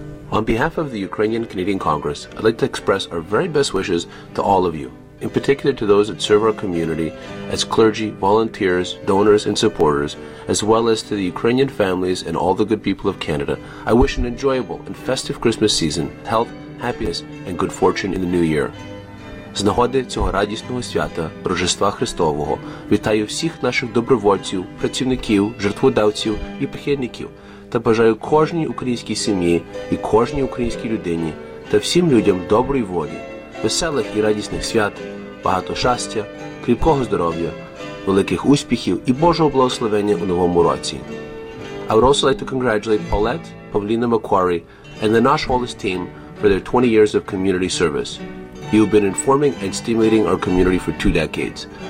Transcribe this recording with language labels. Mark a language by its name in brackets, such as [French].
[English] On behalf of the Ukrainian Canadian Congress, I'd like to express our very best wishes to all of you, in particular to those that serve our community as clergy, volunteers, donors, and supporters, as well as to the Ukrainian families and all the good people of Canada. I wish an enjoyable and festive Christmas season, health, happiness, and good fortune in the new year. [Ukrainian] З нагоди цього радісного свята, Рождества Христового, вітаю всіх наших добровольців, працівників, жертводавців і прихильників та бажаю кожній українській сім'ї і кожній українській людині та всім людям доброї волі, веселих і радісних свят, багато щастя, кріпкого здоров'я, великих успіхів і Божого благословення у новому році. [English] I would also like to congratulate Paulette, Pavlina Macquarie and the Nash Holos team for their 20 years of community service. You have been informing and stimulating our community for 2 decades.